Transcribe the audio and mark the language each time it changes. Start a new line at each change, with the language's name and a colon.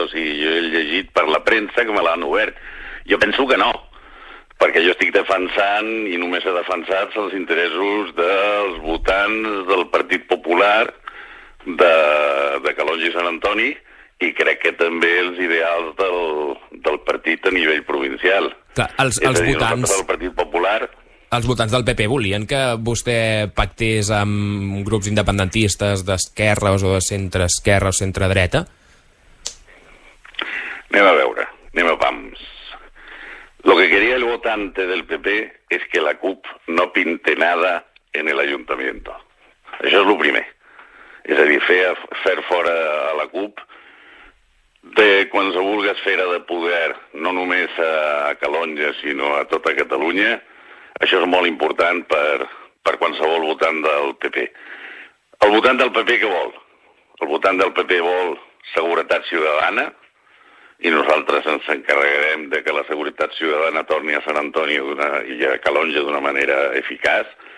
Catalan: O sigui, jo he llegit per la premsa que me l'han obert. Jo penso que no, perquè jo estic defensant, i només he defensat, els interessos dels votants del Partit Popular de Calonge i Sant Antoni, i crec que també els ideals del partit a nivell provincial. Clar, els votants del Partit Popular... Els votants del PP volien que vostè pactés amb grups independentistes d'esquerres o de centre-esquerra o centre-dreta? Anem a veure, anem a pams.
Spanish: Lo que quería el votante del PP es que la CUP no pinte nada en el ayuntamiento.
Catalan: Això és lo primer. És a dir, fer fora a la CUP de qualsevol esfera de poder, no només a Calonge, sinó a tota Catalunya. Això és molt important per qualsevol votant del PP. El votant del PP què vol? El votant del PP vol seguretat ciutadana, i nosaltres ens encarregarem de que la seguretat ciutadana torni a Sant Antoni i a Calonge d'una manera eficaç.